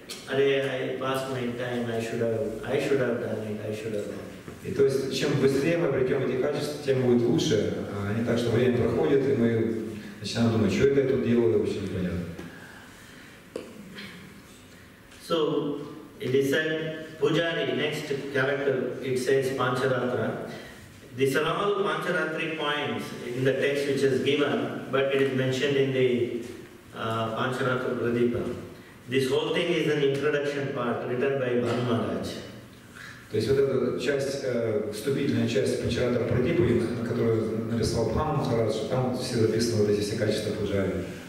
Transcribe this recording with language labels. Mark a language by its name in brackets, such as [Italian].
[English] Arey, I passed my time. I should have done it. I should have done it. [Russian] И то есть чем быстрее мы обретем эти качества, тем будет лучше. А не так, что время проходит, и мы начинаем думать, что это я тут делаю, вообще непонятно. [English] So it is said, Pujari, next character, it says Pancharatra. These are all Pancharatri points in the text which is given, but it is mentioned in the Pancharatra Pradipa. This whole thing is an introduction part written by Bhanu Maharaj. [Russian] То есть вот эта часть, вступительная часть Пачарата Прадипы, которую нарисовал Бхану Махарадж, там все записаны вот эти все качества Пуджари.